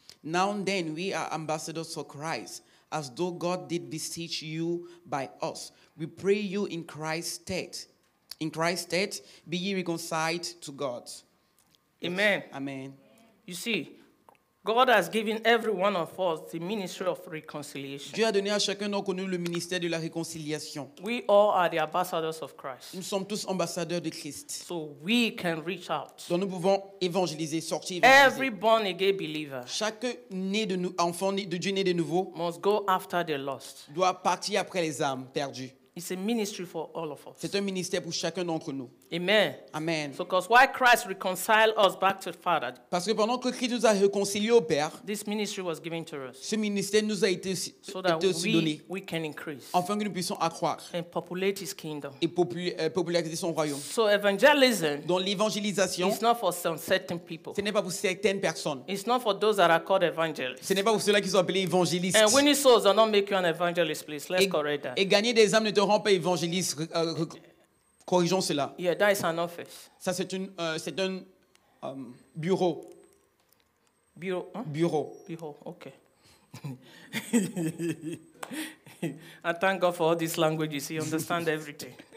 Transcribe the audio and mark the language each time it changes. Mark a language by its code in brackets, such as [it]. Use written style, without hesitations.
[en] Now and then we are ambassadors for Christ, as though God did beseech you by us. We pray you in Christ's stead. In Christ's stead, be ye reconciled to God. Yes. Amen. Amen. You see, God has given every one of us the ministry of reconciliation. [fr] Dieu a donné à chacun d'entre nous le ministère de la réconciliation. [en] We all are the ambassadors of Christ. [fr] Nous sommes tous ambassadeurs de Christ. [en] So we can reach out. [fr] Donc nous pouvons évangéliser, sortir évangéliser. [en] Every born again believer. [fr] Chaque né de nous, enfant de Dieu né de nouveau. [en] Must go after the lost. [fr] Doit partir après les âmes perdues. [en] It's a ministry for all of us. [fr] C'est un ministère pour chacun d'entre nous. Amen. Amen. [en] So, because why Christ reconciled us back to the Father? [fr] Parce que pendant que Christ nous a réconciliés au Père, [en] this ministry was given to us. [fr] Ce ministère nous a été aussi donné. [en] So that [fr] aussi donné, [en] we can increase. [fr] Afin que nous puissions accroître. [en] And populate His kingdom. [fr] Et populariser son royaume. [en] So evangelism. [fr] Donc l'évangélisation. [en] It's not for some certain people. [fr] Ce n'est pas pour certaines personnes. [en] It's not for those that are called evangelists. [fr] Ce n'est pas pour ceux-là qui sont appelés évangélistes. [en] And winning souls does not make you an evangelist, please. Let's correct that. [fr] Et gagner des âmes ne te rend pas évangéliste. Corrigeons cela. [en] Yeah, that is an office. [fr] Ça c'est une c'est un bureau. Bureau. Hein? Bureau. Bureau. Okay. [en] I thank God for all these languages. He understands everything.